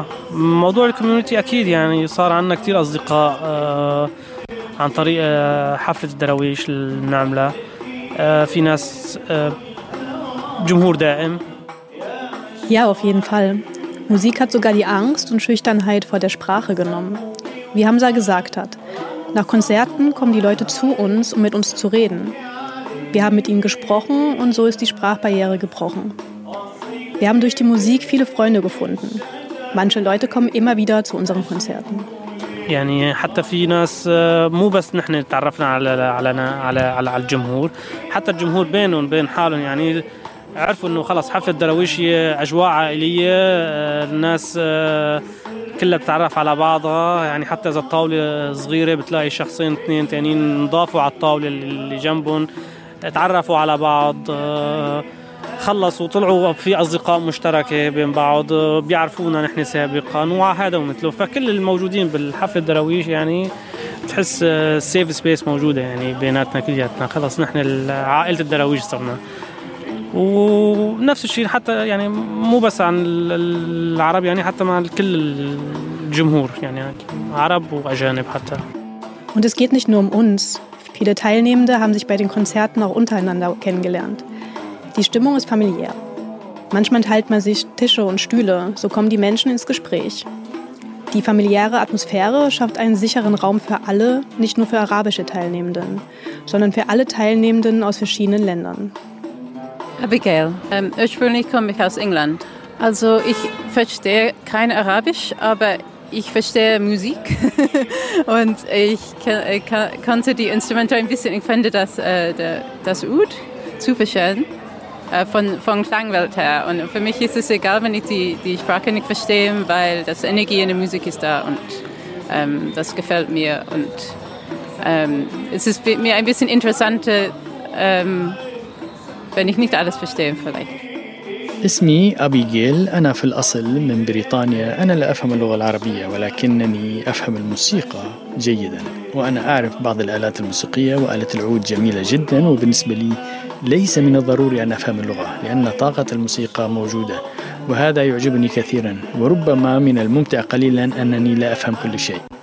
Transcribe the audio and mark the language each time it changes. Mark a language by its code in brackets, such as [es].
[ar] فموضوع الكوميونتي أكيد، يعني صار عنا كتير أصدقاء عن طريق حفلة الدراويش اللي نعملها، في ناس جمهور دائم. [de] Ja, auf jeden Fall. Musik hat sogar die Angst und Schüchternheit vor der Sprache genommen. Wie Hamza gesagt hat, nach Konzerten kommen die Leute zu uns, um mit uns zu reden. Wir haben mit ihnen gesprochen und so ist die Sprachbarriere gebrochen. Wir haben durch die Musik viele Freunde gefunden. Manche Leute kommen immer wieder zu unseren Konzerten. [ar] يعني حتى في ناس، مو بس نحن تعرفنا على على على على الجمهور، حتى الجمهور بينهم وبين حالهم يعني عرفوا انه خلص حفل درويش اجواء عائليه، الناس كلها بتتعرف على بعضها، يعني حتى اذا الطاوله صغيره بتلاقي شخصين اثنين ثانيين نضافوا على الطاوله اللي جنبهم، اتعرفوا على بعض، خلصوا طلعوا في أصدقاء مشتركة بين بعض، بيعرفونا نحن سابقا وهذا ومثله، فكل الموجودين بالحفل الدراويش يعني تحس سيف سبيس موجودة يعني بيناتنا كلياتنا، خلص نحن عائلة الدراويش صرنا. ونفس الشيء حتى يعني مو بس عن العرب، يعني حتى مع كل الجمهور، يعني عرب وأجانب حتى. [de] Und es geht nicht nur um uns. Viele Teilnehmende haben sich bei den Konzerten auch untereinander kennengelernt. Die Stimmung ist familiär. Manchmal teilt man sich Tische und Stühle, so kommen die Menschen ins Gespräch. Die familiäre Atmosphäre schafft einen sicheren Raum für alle, nicht nur für arabische Teilnehmenden, sondern für alle Teilnehmenden aus verschiedenen Ländern. Abigail, ursprünglich komme ich aus England. Also ich verstehe kein Arabisch, aber ich verstehe Musik und ich konnte die Instrumente ein bisschen, ich fand das Oud zu verstehen. Von Klangwelt her. Und für mich ist es egal, wenn ich die Sprache nicht verstehe, weil das Energie in der Musik ist da und das gefällt mir. Und es ist mir ein bisschen interessanter, wenn ich nicht alles verstehe vielleicht. [ar] اسمي أبيجيل أنا في الأصل من بريطانيا أنا لا أفهم اللغة العربية ولكنني أفهم الموسيقى جيدا وأنا أعرف بعض الآلات الموسيقية وآلة العود جميلة جدا وبالنسبة لي ليس من الضروري أن أفهم اللغة لأن طاقة الموسيقى موجودة وهذا يعجبني كثيرا وربما من الممتع قليلا أنني لا أفهم كل شيء